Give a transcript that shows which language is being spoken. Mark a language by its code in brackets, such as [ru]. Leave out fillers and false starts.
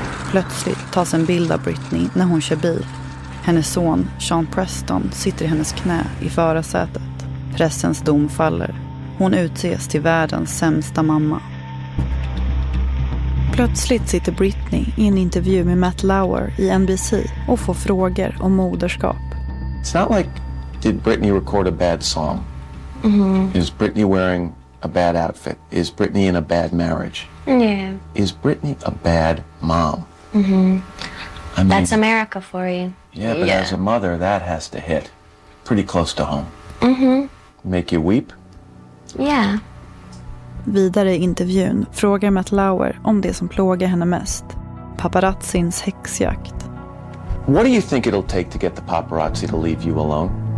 [sv] Plötsligt tas en bild av Britney när hon kör bil. Hennes son, Sean Preston, sitter i hennes knä i förarsätet. Pressens dom faller. Hon utses till världens sämsta mamma. Plötsligt sitter Britney i en intervju med Matt Lauer i NBC och får frågor om moderskap. [en] It's not like, did Britney record a bad song? Mm-hmm. Is Britney wearing a bad outfit? Is Britney in a bad marriage? Yeah. Is Britney a bad mom? Mm-hmm. I mean, that's America for you. Yeah, but yeah. As a mother, that has to hit pretty close to home. Mm-hmm. Make you weep? Yeah. [sv] Vidare i intervjun frågar Matt Lauer om det som plågar henne mest. Paparazzins häxjakt. [en] What do you think it'll take to get the paparazzi to leave you alone?